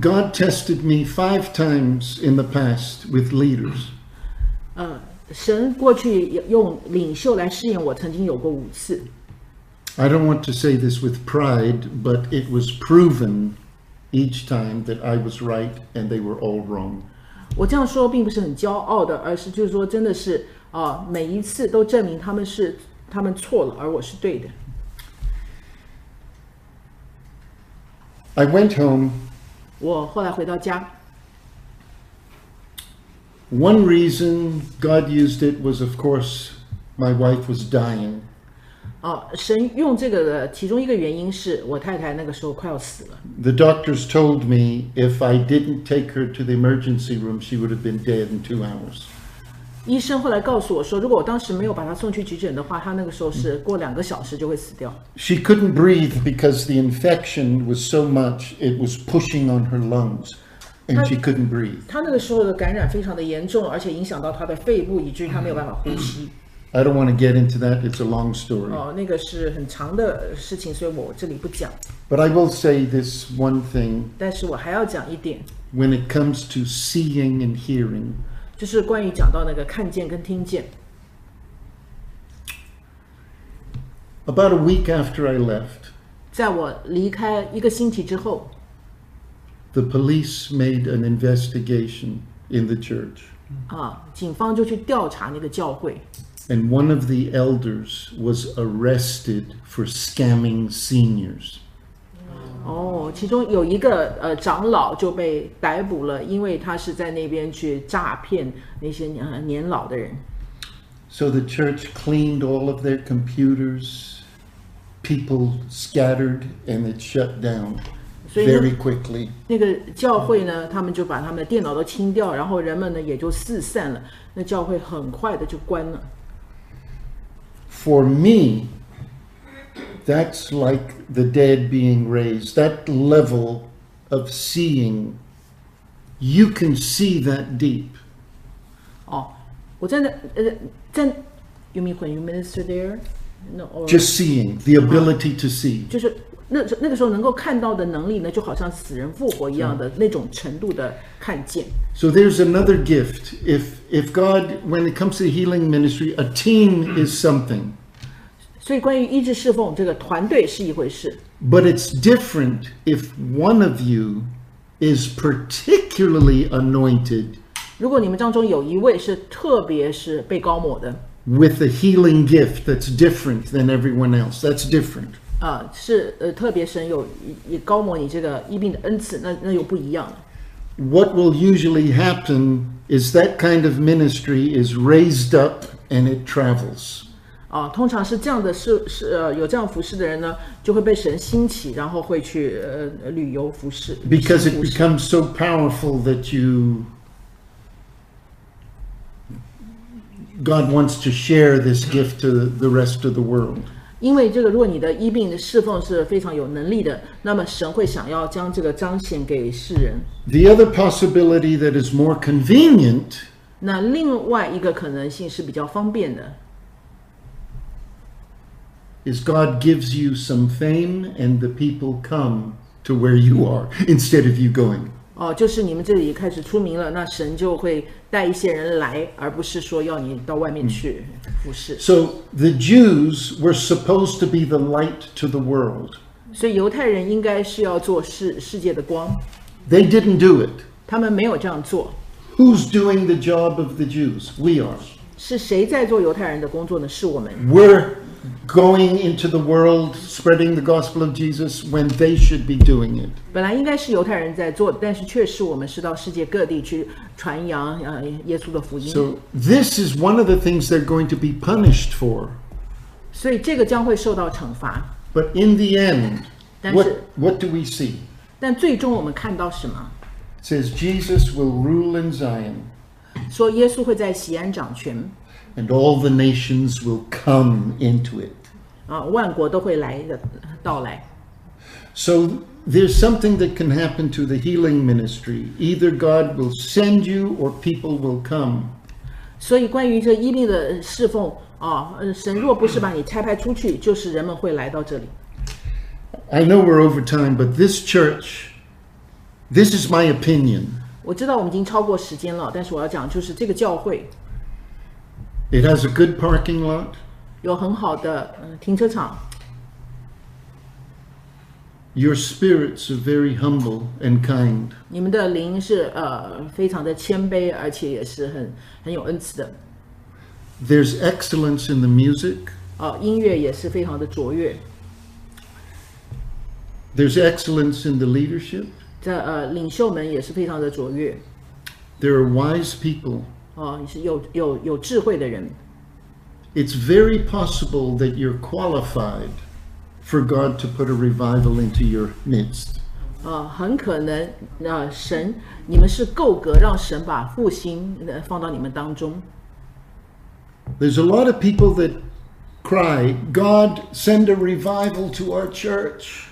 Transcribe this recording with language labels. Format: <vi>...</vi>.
<en>God tested me 5 times in the past with leaders.</en> <zh>神过去用领袖来试验我，曾经有过五次。</zh> <en>I don't want to say this with pride, but it was proven each time that I was right and they were all wrong.</en> <zh>我这样说并不是很骄傲的，而是就是说真的是，每一次都证明他们错了，而我是对的。</zh> <en>I went home.</en> <zh>我后来回到家。</zh> <en>One reason God used it was, of course, my wife was dying.</en> <zh>神用这个的其中一个原因是我太太那个时候快要死了。</zh> <en>The doctors told me if I didn't take her to the emergency room, she would have been dead in 2 hours.</en> <zh>医生后来告诉我说，如果我当时没有把她送去急诊的话，她那个时候是过2个小时就会死掉。</zh> <en>She couldn't breathe because the infection was so much, it was pushing on her lungs. And she couldn't breathe.</en> <zh>她那个时候的感染非常的严重，而且影响到她的肺部，以至于她没有办法呼吸。</zh> <en>I don't want to get into that. It's a long story.</en> <zh>那个是很长的事情，所以我这里不讲。</zh> <en>But I will say this one thing.</en> <zh>但是我还要讲一点。</zh> <en>When it comes to seeing and hearing.</en> <zh>就是关于讲到那个看见跟听见。</zh> <en>About a week after I left.</en> <zh>在我离开一个星期之后。</zh> <en>The police made an investigation in the church.</en> <zh>警方就去调查那个教会。</zh> <en>And one of the elders was arrested for scamming seniors.</en> <zh>其中有一个长老就被逮捕了，因为他是在那边去诈骗那些年老的人。</zh> <en>So the church cleaned all of their computers, people scattered, and it shut down. Very quickly.</en> <zh>那个教会呢，他们就把他们的电脑都清掉，然后人们呢也就四散了。那教会很快的就关了。</zh> <en>For me, that's like the dead being raised. That level of seeing, you can see that deep.</en> <zh>我在那在</zh> <en>，You mean when you minister there? No, or just seeing the ability to see.</en> <zh>就是。那个时候能够看到的能力呢，就好像死人复活一样的那种程度的看见。</zh> <en>So there's another gift. If God, when it comes to healing ministry, a team is something.</en> <zh>所以关于医治侍奉，这个团队是一回事。</zh> <en>But it's different if one of you is particularly anointed.</en> <zh>如果你们当中有一位是特别是被膏抹的。</zh> <en>With a healing gift that's different than everyone else. That's different.</en> <zh>特别神有也膏抹你这个医病的恩赐，那又不一样了。</zh> <en>What will usually happen is that kind of ministry is raised up and it travels.</en> <zh>通常是这样的，是有这样服事的人呢，就会被神兴起，然后会去旅游服事。</zh> <en>Because it becomes so powerful that God wants to share this gift to the rest of the world.</en> <zh>因为这个，如果你的医病的侍奉是非常有能力的，那么神会想要将这个彰显给世人。</zh> <en>The other possibility that is more convenient.</en> <zh>那另外一个可能性是比较方便的。</zh> <en>Is God gives you some fame and the people come to where you are instead of you going.</en> <zh>就是你们这里开始出名了，那神就会带一些人来，而不是说要你到外面去。</zh> <en>So the Jews were supposed to be the light to the world.</en> <zh>所以犹太人应该是要做世界的光。</zh> <en>They didn't do it.</en> <zh>他们没有这样做。</zh> <en>Who's doing the job of the Jews? We are.</en> <zh>是谁在做犹太人的工作呢？是我们。</zh> <en>We're going into the world, spreading the gospel of Jesus when they should be doing it.</en> <zh>本来应该是犹太人在做，但是却是我们是到世界各地去。传扬耶稣的福音。</zh> <en>So this is one of the things they're going to be punished for.</en> <zh>所以这个将会受到惩罚。</zh> <en>But in the end, what do we see?</en> <zh>但最终我们看到什么？</zh> <en>It says Jesus will rule in Zion.</en> <zh>说耶稣会在锡安掌权。</zh> <en>And all the nations will come into it.</en> <zh>万国都会来的到来。</zh> <en>So there's something that can happen to the healing ministry. Either God will send you or people will come.</en> <zh>所以关于这医病的侍奉，神若不是把你差派出去，就是人们会来到这里。</zh> <en>I know we're over time, but this church, this is my opinion.</en> <zh>我知道我们已经超过时间了，但是我要讲就是这个教会。</zh> <en>It has a good parking lot.</en> <zh>有很好的停车场。</zh> <en>Your spirits are very humble and kind.</en> <zh>你们的灵是非常的谦卑，而且也是很有恩慈的。</zh> <en>There's excellence in the music.</en> <zh>音乐也是非常的卓越。</zh> <en>There's excellence in the leadership.</en> <zh>这领袖们也是非常的卓越。</zh> <en>There are wise people.</en> <zh>有智慧的人。</zh> <en>It's very possible that you're qualified for God to put a revival into your midst.</en> <zh>很可能神，你们是够格让神把复兴放到你们当中。</zh> <en>There's a lot of people that cry, God, send a revival to our church.</en>